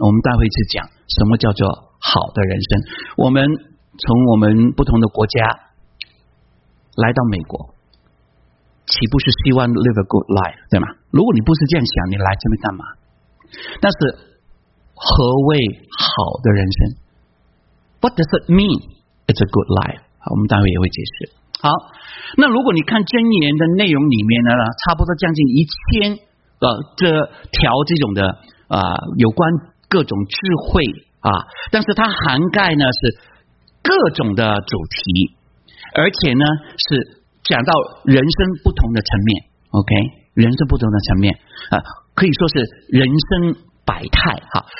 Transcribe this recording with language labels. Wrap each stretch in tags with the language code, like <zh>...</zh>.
<zh>我们待会去讲什么叫做好的人生。我们从我们不同的国家来到美国，岂不是希望</zh> <en>live a good life，</en> <zh>对吗？如果你不是这样想，你来这边干嘛？但是何谓好的人生？</zh> <en>What does it mean it's a good life？</en> <zh>我们待会也会解释。好，那如果你看箴言的内容里面呢，差不多将近1000这条这种的有关各种智慧啊，但是它涵盖呢是各种的主题，而且呢是讲到人生不同的层面 ，OK， 人生不同的层面啊，可以说是人生百态哈、啊。</zh>